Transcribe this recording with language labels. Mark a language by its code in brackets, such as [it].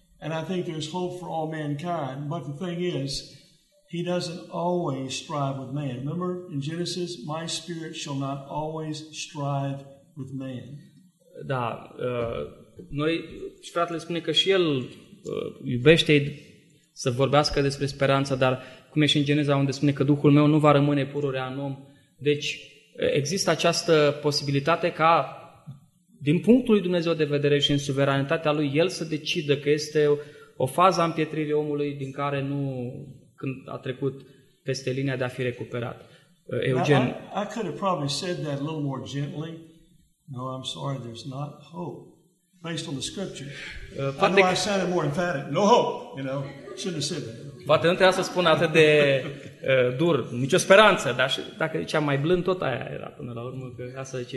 [en] And I think there's hope for all mankind. But the thing is, he doesn't always strive with man. Remember in Genesis, my spirit shall not always strive with man. [ro] Da, noi și fratele spune că și el iubește să vorbească despre speranță, dar cum e și în Geneza unde spune că Duhul meu nu va rămâne pururea în om. Deci există această posibilitate ca din punctul lui Dumnezeu de vedere și în suveranitatea lui el să decidă că este o fază a împietririi omului din care nu când a trecut peste linia de a fi recuperat. Eugen, [en] I could have probably said that a little more gently. No, I'm sorry, there's not hope based on the scripture. I know I sounded more emphatic. No hope, you know. Shouldn't have said that. [ro] Poate nu trebuia să spun atât de dur, nicio speranță, dar și dacă ziceam mai blând, tot aia era până la urmă, că asta zice